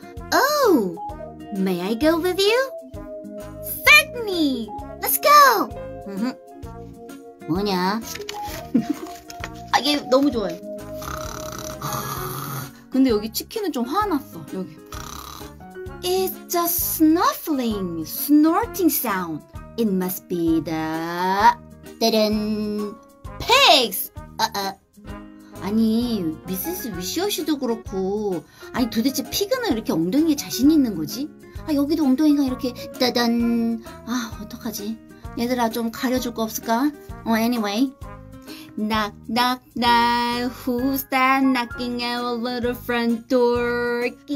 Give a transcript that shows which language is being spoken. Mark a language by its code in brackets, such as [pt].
[en] Oh, may I go with you? Certainly. Let's go. [ko] 뭐냐? 아, 얘 너무 좋아해. 근데 여기 치킨은 좀 화났어. 여기. [en] It's a snuffling, snorting sound. It must be the... 따란. Pigs! [ko] 아니, 미세스 위시워시도 그렇고, 아니 도대체 피그는 이렇게 엉덩이에 자신 있는 거지? 아, 여기도 엉덩이가 이렇게 따단. 아, 어떡하지? 얘들아, 좀 가려줄 거 없을까? [en] Oh, anyway. Knock, knock, knock. Who's that knocking at our little front door?